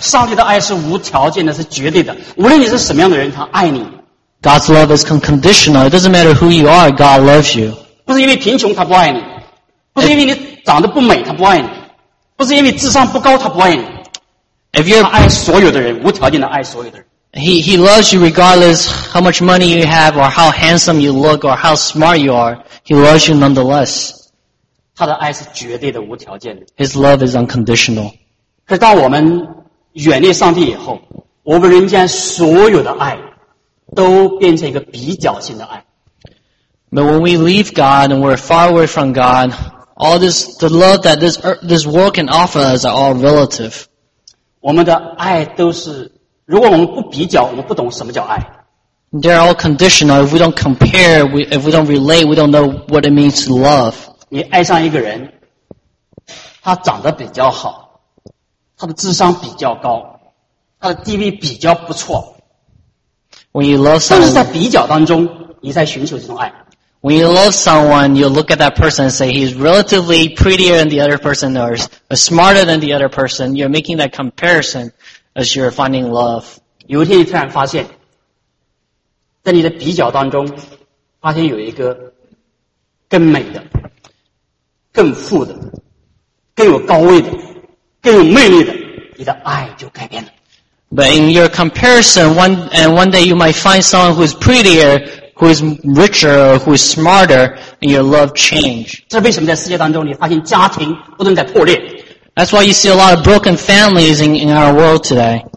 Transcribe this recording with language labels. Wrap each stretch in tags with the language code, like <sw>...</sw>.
<zh>上帝的爱是无条件的, 是绝对的, 无论你是什么样的人, 他爱你。</zh> <en>God's love is unconditional. It doesn't matter who you are, God loves you.</en> <zh>不是因为贫穷, 他不爱你, 不是因为你长得不美, 他不爱你, 不是因为智商不高, 他不爱你,</zh> <en>if you're</en> <zh>他爱所有的人, 无条件的爱所有的人。</zh> <en>He loves you regardless how much money you have or how handsome you look or how smart you are. He loves you nonetheless.</en> <zh>他的爱是绝对的无条件的。</zh> <en>His love is unconditional.</en> <zh>可是当我们远离上帝以后, 我们人间所有的爱, 都变成一个比较性的爱。</zh> <en>But when we leave God and we're far away from God, all this, the love that this world can offer us are all relative.</en> <zh>我们的爱都是 如果我们不比较，我们不懂什么叫爱。</zh> <en>They're all conditional. If we don't compare, if we don't relate, we don't know what it means to love.</en> <zh>你爱上一个人, 他长得比较好, 他的智商比较高, 他的地位比较不错。</zh> <en>When you love someone,</en> <zh>但是在比较当中, 你在寻求这种爱。</zh> <en>When you love someone, you look at that person and say, he's relatively prettier than the other person, or smarter than the other person. You're making that comparison as you're finding love.</en> <zh>有一天你突然发现, 在你的比较当中, 发现有一个, 更美的, 更富的, 更有高位的, 更有魅力的, 你的爱就改变了。</zh> <en>But in your comparison, one day you might find someone who is prettier, who is richer, who is smarter, and your love change.</en> <zh>这为什么在世界当中你发现家庭不能再破裂。</zh> <en>That's why you see a lot of broken families in our world today.</en>